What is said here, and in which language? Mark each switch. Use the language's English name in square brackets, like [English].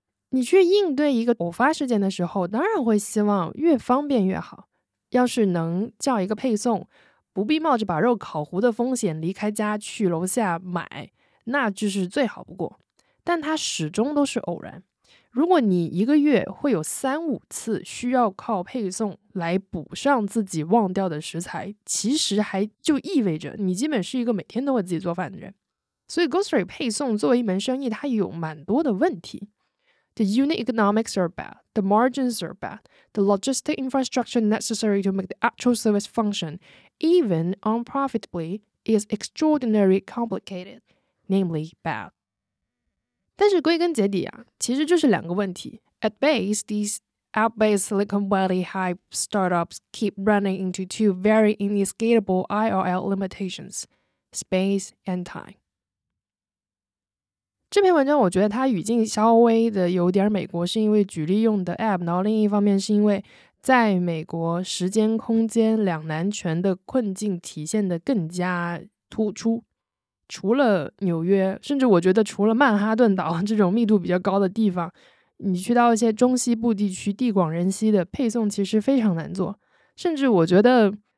[Chinese] 你去应对一个偶发事件的时候，当然会希望越方便越好，要是能叫一个配送，不必冒着把肉烤糊的风险离开家去楼下买，那就是最好不过，但它始终都是偶然。如果你一个月会有3-5次需要靠配送来补上自己忘掉的食材，其实还就意味着你基本是一个每天都会自己做饭的人。所以 grocery 配送作为一门生意，它有蛮多的问题。 [English] The unit economics are bad. The margins are bad. The logistic infrastructure necessary to make the actual service function, even unprofitably, is extraordinarily complicated, namely bad. [Chinese] 但是归根结底啊，其实就是两个问题。 [English] At base, these app-based Silicon Valley hype startups keep running into two very inescapable IRL limitations, space and time. [Chinese] 这篇文章我觉得它语境稍微的有点美国，是因为举例用的 app， 然后另一方面是因为在美国时间空间两难权的困境体现的更加突出。除了纽约，甚至我觉得除了曼哈顿岛这种密度比较高的地方，你去到一些中西部地区地广人稀的配送其实非常难做，甚至我觉得